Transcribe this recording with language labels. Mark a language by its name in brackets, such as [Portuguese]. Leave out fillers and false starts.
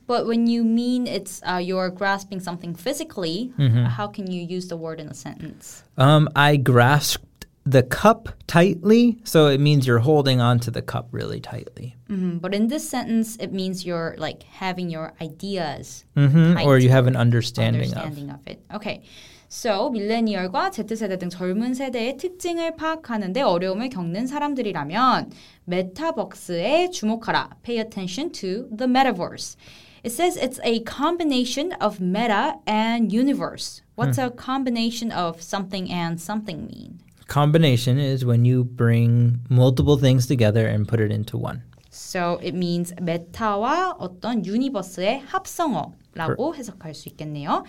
[English] But when you mean it's you're grasping something physically, how can you use the word in a sentence? I grasped the cup tightly. So it means you're holding on to the cup really tightly. Mm-hmm. But in this sentence, it means you're like having your ideas. Mm-hmm. Or you have an understanding, of it. Okay. [Korean] So, 밀레니얼과 Z세대 등 젊은 세대의 특징을 파악하는 데 어려움을 겪는 사람들이라면 메타버스에 주목하라. [English] Pay attention to the metaverse. It says it's a combination of meta and universe. What's a combination of something and something mean? Combination is when you bring multiple things together and put it into one. So, it means [Korean] 메타와 어떤 유니버스의 합성어라고 해석할 수 있겠네요.